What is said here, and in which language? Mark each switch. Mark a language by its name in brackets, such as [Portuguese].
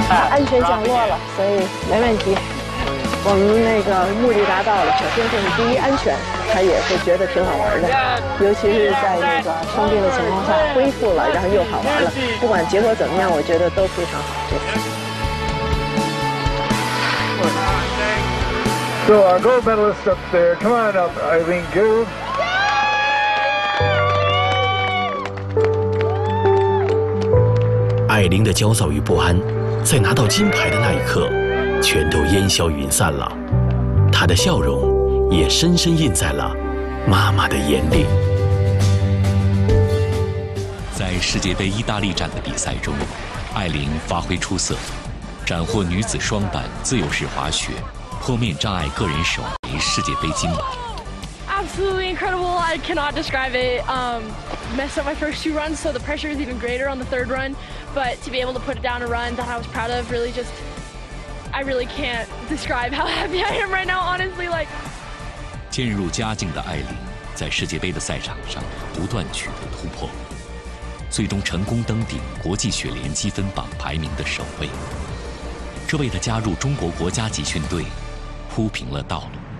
[Chinese] 安全降落了，所以没问题。我们那个目的达到了，首先就是第一安全，他也是觉得挺好玩的，尤其是在那个生病的情况下恢复了，然后又好玩了，不管结果怎么样，我觉得都非常好。这次 [English] ，So our gold medalist up there, come on up, Eileen Gu. [Chinese] 艾琳的焦躁与不安，在拿到金牌的那一刻，全都烟消云散了。她的笑容也深深印在了妈妈的眼里。在世界杯意大利站的比赛中，艾琳发挥出色，斩获女子双板、自由式滑雪、坡面障碍个人首枚世界杯金牌。 [English] Absolutely incredible. I cannot describe it. Messed up my first two runs, so the pressure is even greater on the third run. But to be able to put it down a run that I was proud of, really just, I really can't describe how happy I am right now, honestly. Like, [Chinese] 渐入佳境的艾琳在世界杯的赛场上不断取得突破，最终成功登顶国际雪联积分榜排名的首位，这为他加入中国国家集训队铺平了道路。